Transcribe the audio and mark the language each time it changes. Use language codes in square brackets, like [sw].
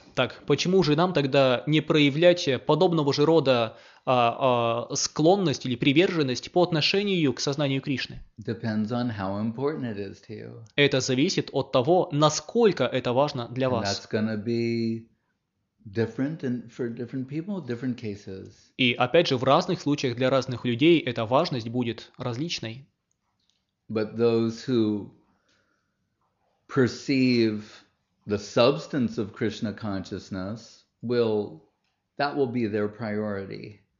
[ru] Так, почему же нам тогда не проявлять подобного же рода склонность или приверженность по отношению к сознанию Кришны? [en] Depends on how important it is to you. [ru] Это зависит от того, насколько это важно для вас. [en] And that's gonna be different and for different people, different cases. [ru] И опять же, в разных случаях для разных людей эта важность будет различной. [en] But those who perceive the substance of Krishna consciousness will be their priority.